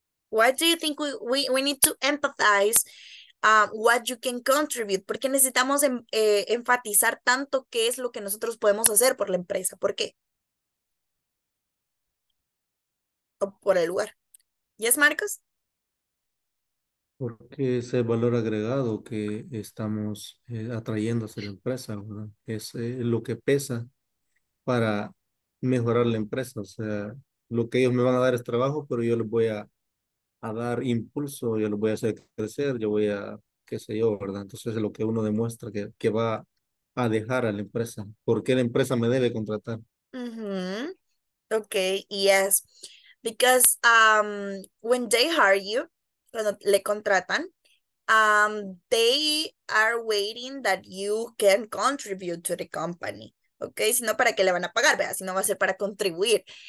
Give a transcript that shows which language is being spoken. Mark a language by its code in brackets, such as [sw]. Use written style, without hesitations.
[en] Why do you think we need to empathize what you can contribute? [es] ¿Por qué necesitamos enfatizar tanto qué es lo que nosotros podemos hacer por la empresa? ¿Por qué? Por el lugar. ¿Yes, Marcos? Porque es el valor agregado que estamos atrayendo hacia la empresa, ¿verdad? Es lo que pesa para mejorar la empresa. O sea, lo que ellos me van a dar es trabajo, pero yo les voy a dar impulso, yo les voy a hacer crecer, yo voy a, qué sé yo, ¿verdad? Entonces es lo que uno demuestra que va a dejar a la empresa. ¿Por qué la empresa me debe contratar? [en] Mm-hmm. Okay, yes. Because when they hire you, [es] cuando le contratan, [en] they are waiting that you can contribute to the company. [es] Okay, si no, ¿para qué le van a pagar? ¿Verdad? Si no va a ser para contribuir.